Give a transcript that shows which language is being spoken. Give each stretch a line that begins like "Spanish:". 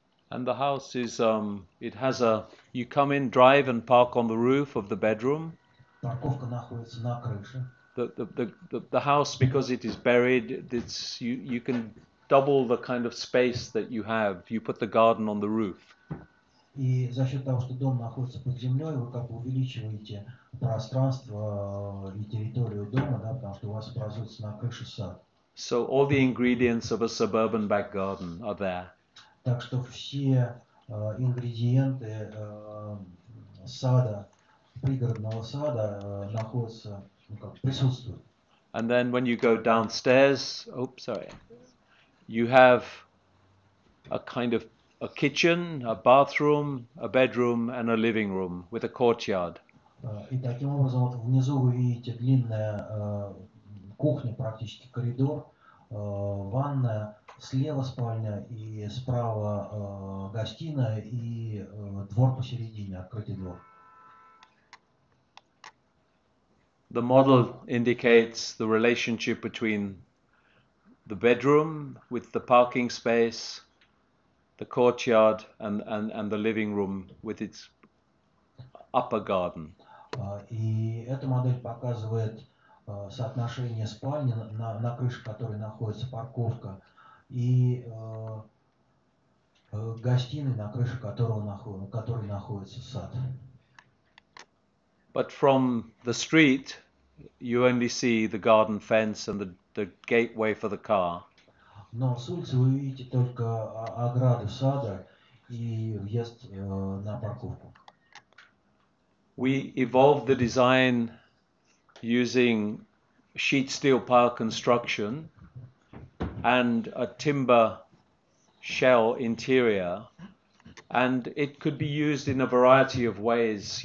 English: And the house is, it has a, you come in, drive and park on the roof of the bedroom.
Russian: Парковка находится на крыше.
English: The house, because it is buried, it's, you can double the kind of space that you have. You put the garden on the roof.
Russian: И за счет того, что дом находится под землей, вы как бы увеличиваете пространство и территорию дома, да, потому что у вас образуется на крыше сад.
English: So all the ingredients of a suburban back garden are there.
Russian: Так что все ингредиенты сада, пригородного сада, находятся, присутствуют.
English: And then when you go downstairs, you have a kind of a kitchen, a bathroom, a bedroom and a living room with a courtyard.
Russian: И таким образом вот внизу вы видите длинная кухня, практически коридор, ванная. Слева спальня и справа гостиная и двор посередине, открытый двор.
English: The model indicates the relationship between the bedroom with the parking space, the courtyard and the living room with its upper garden.
Russian: И эта модель показывает соотношение спальни, на крыше которой находится парковка, и гостиной, на крыше которой находится сад.
English: But from the street, you only see the garden fence and the gateway for the car.
Russian: Но с улицы вы видите только ограду сада и въезд на парковку.
English: We evolved the design using sheet steel pile construction and a timber shell interior, and it could be used in a variety of ways.